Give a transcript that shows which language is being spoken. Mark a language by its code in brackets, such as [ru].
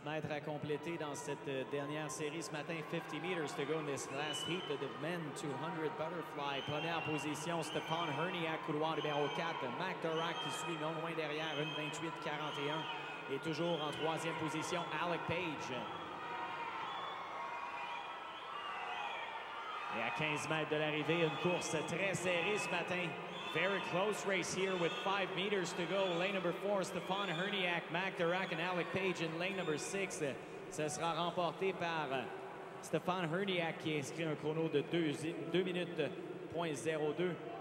[fr] À compléter dans cette dernière série ce matin. [en] 50 meters to go in this last heat of the men 200 butterfly. [fr] Première position, Stefan Herniak, couloir numéro 4. Mac Darrock qui suit non loin derrière, 1:28.41. Et toujours en troisième position, Alec Page. Et à 15 mètres de l'arrivée, une course très serrée ce matin. [en] Very close race here with 5 meters to go. Lane number 4, Stefan Herniak, Mac Darrock and Alec Page in lane number 6. [fr] Ce sera remporté par Stefan Herniak qui inscrit un chrono de 2 minutes.02.